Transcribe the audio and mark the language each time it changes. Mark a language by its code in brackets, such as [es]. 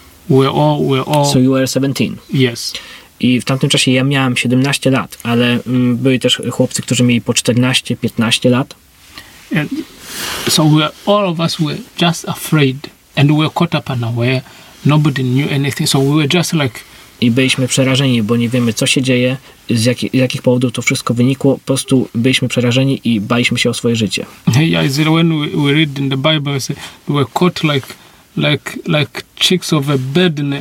[en] We're all... So you were 17? Yes. [pl] I w tamtym czasie ja miałem 17 lat, ale byli też chłopcy, którzy mieli po 14, 15 lat. [en] And so all of us were just afraid and we were caught up unaware. Nobody knew anything, so we were just like... [pl] I byliśmy przerażeni, bo nie wiemy, co się dzieje, z jakich powodów to wszystko wynikło. Po prostu byliśmy przerażeni i baliśmy się o swoje życie. [en] Yeah, is it when we read in the Bible, we were caught like chicks of a bird.